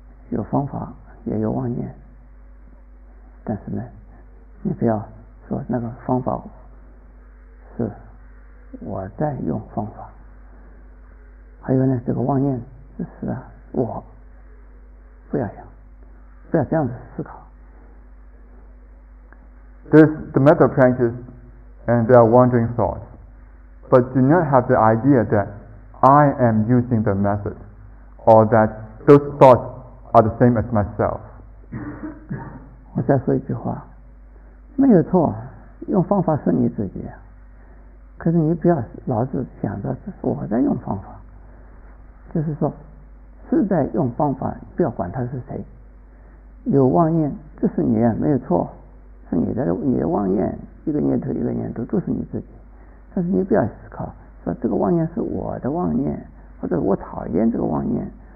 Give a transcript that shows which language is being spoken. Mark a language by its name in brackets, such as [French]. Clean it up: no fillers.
[Chinese] 有方法，也有妄念，但是呢，你不要说那个方法是我在用方法。还有呢，这个妄念只是我，不要想，不要这样子思考。 [English] There's the metta practice and there are wandering thoughts. But do not have the idea that I am using the method or that those thoughts are the same as myself. [Chinese] 我再说一句话，没有错，用方法是你自己，可是你不要老是想着是我在用方法，就是说是在用方法，不要管他是谁，有妄念，这是你，没有错，是你的妄念，一个念头一个念头都是你自己，但是你不要思考说这个妄念是我的妄念，或者我讨厌这个妄念。